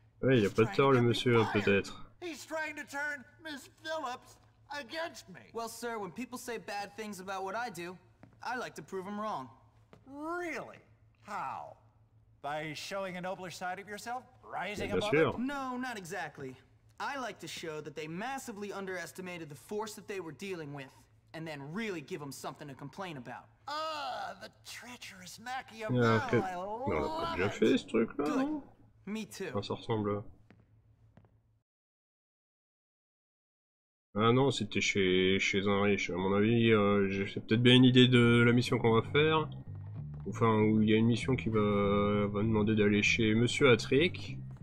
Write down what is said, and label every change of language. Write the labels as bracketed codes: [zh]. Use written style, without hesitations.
[fr] Ouais, il a pas tort le monsieur peut-être. [en] He's trying to turn Miss Phillips against me. Well, sir, when people say bad things about what I do, I like to prove them wrong. Really? How? By showing a nobler side of yourself? Rising above it? No, not exactly. I like to show that they massively underestimated the force that they were dealing with, and then really give them something to complain about. The treacherous Machiavelli. [fr] On a déjà fait ce truc là, non? [en] Me too. [fr] Enfin, ça ressemble. Ah non, c'était chez un riche. À mon avis, j'ai peut-être bien une idée de la mission qu'on va faire. Enfin, où il y a une mission qui va demander d'aller chez Monsieur Attrick.